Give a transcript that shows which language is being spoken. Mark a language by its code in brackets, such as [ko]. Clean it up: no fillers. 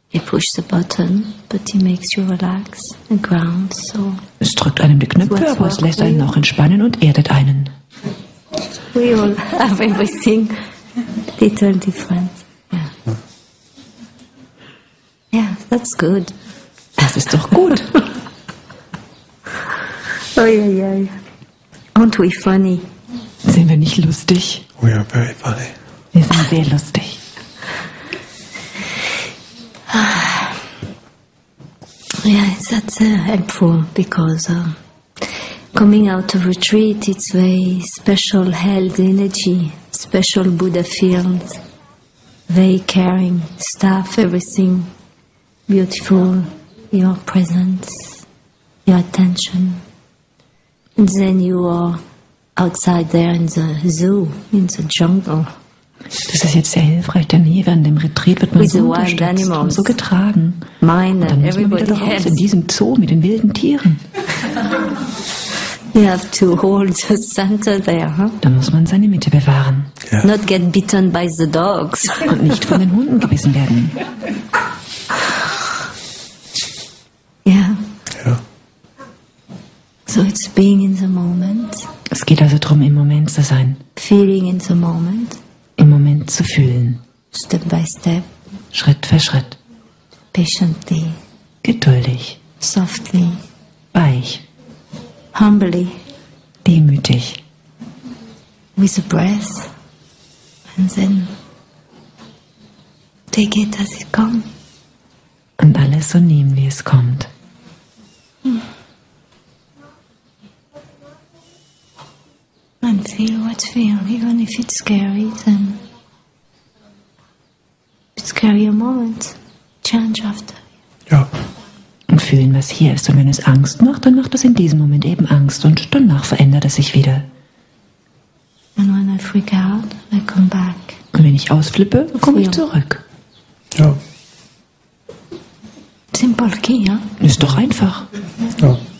[en] Push the button, but it makes you relax and ground, so. [de] Es drückt einem die Knöpfe, aber es lässt einen noch entspannen und erdet einen. [en] We all have everything a little different. Yeah. Yeah, that's good. [de] Das ist doch gut. [en] Oh yeah, yeah. Aren't we funny? [de] Sind wir nicht lustig? [en] We are very funny. [de] Wir sind sehr lustig. [en] Yeah, that's helpful because coming out of retreat, it's very special health energy, special Buddha fields, very caring stuff, everything beautiful, your presence, your attention. And then you are outside there in the zoo, in the jungle. [de] Das ist jetzt sehr hilfreich, denn hier während dem Retreat wird man so unterstützt und so getragen. [en] Mine [de] und dann müssen wir wieder raus in diesem Zoo mit den wilden Tieren. [en] You have to hold the center there, huh? [de] Da muss man seine Mitte bewahren. [en] Yes. Not get bitten by the dogs. [de] Und nicht von den Hunden gebissen werden. Ja. [en] Yeah. So it's being in the moment. [de] Es geht also darum, im Moment zu sein. [en] Feeling in the moment. [de] Im Moment zu fühlen. [en] Step by step. [de] Schritt für Schritt. [en] Patiently. [de] Geduldig. [en] Softly. [de] Weich. [en] Humbly. [de] Demütig. [en] With a breath. And then take it as it comes. [de] Und alles so nehmen, wie es kommt. [en] And feel what feel, even if it's scary, then it's scary a moment, change after. [de] Ja. Und fühlen, was hier ist. Und wenn es Angst macht, dann macht es in diesem Moment eben Angst. Und danach verändert es sich wieder. [en] And when I freak out, I come back. [de] Und wenn ich ausflippe, komme ich zurück. Ja. [en] Simple key, ja? [de] Ist doch einfach. Ja.